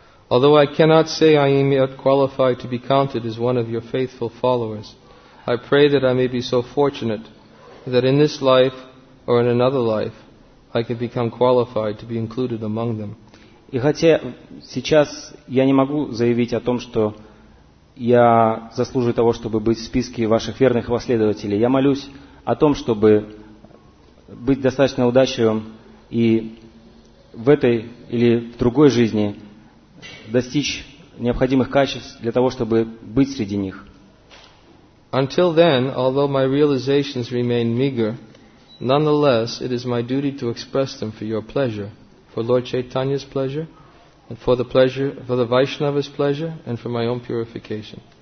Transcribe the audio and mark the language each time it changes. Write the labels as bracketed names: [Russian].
[English] Although I cannot say I am yet qualified to be counted as one of your faithful followers, I pray that I may be so fortunate that in this life or in another life I can become qualified to be included among them. [Russian] И хотя сейчас я не могу заявить о том, что я заслуживаю того, чтобы быть в списке ваших верных последователей, я молюсь о том, чтобы быть достаточно удачливым и в этой или в другой жизни достичь необходимых качеств для того, чтобы быть среди них. [English] Until then, although my realizations remain meager, nonetheless, it is my duty to express them for your pleasure, for Lord Chaitanya's pleasure, and for the pleasure, for the Vaishnava's pleasure, and for my own purification.